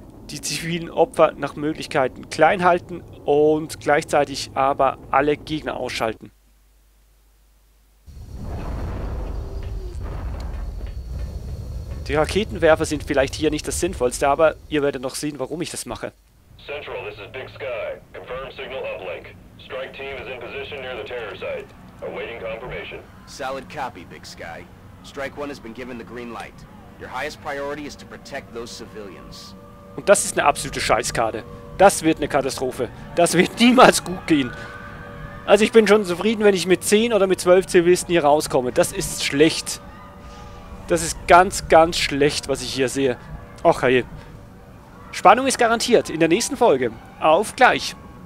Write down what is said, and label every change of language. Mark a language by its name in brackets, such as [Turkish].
[German] Die zivilen Opfer nach Möglichkeiten klein halten und gleichzeitig aber alle Gegner ausschalten. Die Raketenwerfer sind vielleicht hier nicht das Sinnvollste, aber ihr werdet noch sehen, warum ich das mache. [English] Central, this is Big Sky. Confirm signal uplink. Strike team is in position near the terror site. Awaiting confirmation. Solid copy, Big Sky. Strike One has been given the green light. Your highest priority is to protect those civilians. [German] Und das ist eine absolute Scheißkarte. Das wird eine Katastrophe. Das wird niemals gut gehen. Also ich bin schon zufrieden, wenn ich mit 10 oder mit 12 Zivilisten hier rauskomme. Das ist schlecht. Das ist ganz, ganz schlecht, was ich hier sehe. Och, hey. Spannung ist garantiert. In der nächsten Folge. Auf gleich.